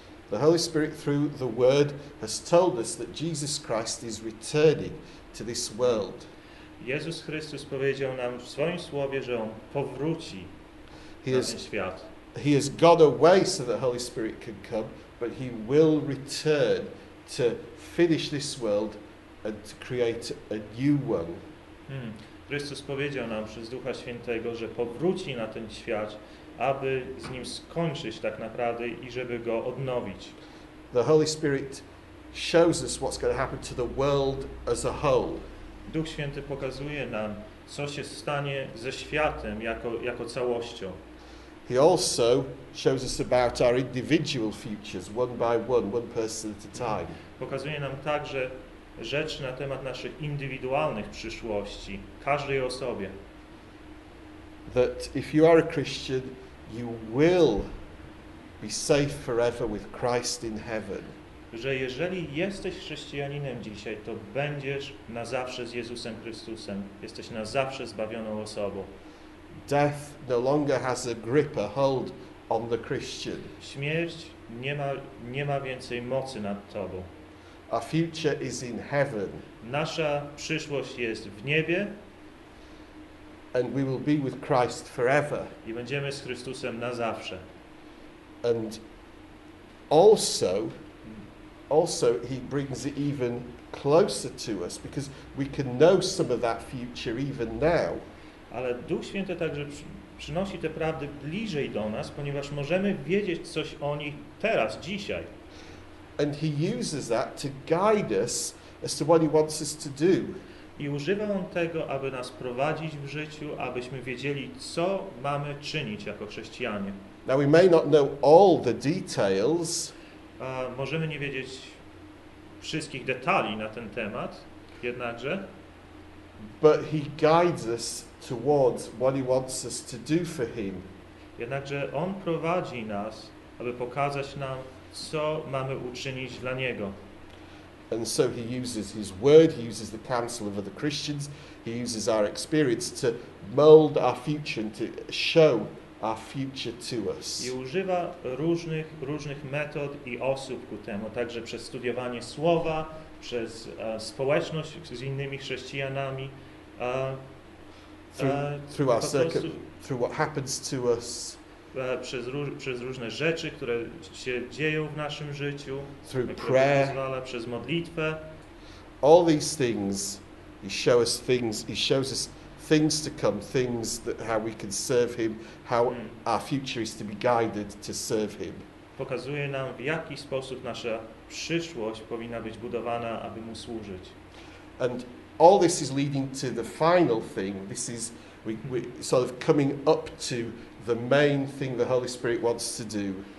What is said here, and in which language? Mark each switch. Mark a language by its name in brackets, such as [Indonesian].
[English] The Holy Spirit through the Word has told us that Jesus Christ is returning to this world. [Polish] Jezus Chrystus powiedział nam w swoim słowie, że on powróci na ten świat. [English] He has gone away so that the Holy Spirit can come, but he will return to finish this world and to create a new one. [Polish] Chrystus powiedział nam przez Ducha Świętego, że powróci na ten świat, aby z nim skończyć tak naprawdę i żeby go odnowić. [English] The Holy Spirit shows us what's going to happen to the world as a whole. [Polish] Duch Święty pokazuje nam, co się stanie ze światem jako całością. [English] He also shows us about our individual futures, one by one person at a time. [Polish] Pokazuje nam także rzeczy na temat naszych indywidualnych przyszłości, każdej osobie. [English] That if you are a Christian, you will be safe forever with Christ in heaven. [Polish] Że jeżeli jesteś chrześcijaninem dzisiaj, to będziesz na zawsze z Jezusem Chrystusem. Jesteś na zawsze zbawioną osobą. [English] Death no longer has a grip, a hold on the Christian. [Polish] Śmierć nie ma więcej mocy nad tobą. [English] Our future is in heaven. [Polish] Nasza przyszłość jest w niebie. [English] And we will be with Christ forever. [Polish] I będziemy z Chrystusem na zawsze. [English] And also he brings it even closer to us, because we can know some of that future even now. [Polish] Ale Duch Święty także przynosi te prawdy bliżej do nas, ponieważ możemy wiedzieć coś o nich teraz, dzisiaj. [English] And he uses that to guide us as to what he wants us to do. [Polish] I używa on tego, aby nas prowadzić w życiu, abyśmy wiedzieli, co mamy czynić jako chrześcijanie. [English] Now we may not know all the details. [Polish] Możemy nie wiedzieć wszystkich detali na ten temat, jednakże. [English] But he guides us towards what he wants us to do for him. [Polish] Jednakże on prowadzi nas, aby pokazać nam, co mamy uczynić dla niego. [English] And so he uses his word, he uses the counsel of other Christians, he uses our experience to mold our future and to show our future to us. [Polish] I używa różnych metod i osób ku temu, także przez studiowanie słowa, przez społeczność z innymi chrześcijanami, [English] through what happens to us, [Polish] przez różne rzeczy, które się dzieją w naszym życiu, [English] through prayer, [Polish] przez modlitwę. [English] All these things, he shows us things, he shows us things to come, things that how we can serve him, how our future is to be guided to serve him. [Polish] Pokazuje nam, w jaki sposób nasza przyszłość powinna być budowana, aby mu służyć. [English] And all this is leading to the final thing. This is we sort of coming up to the main thing the Holy Spirit wants to do.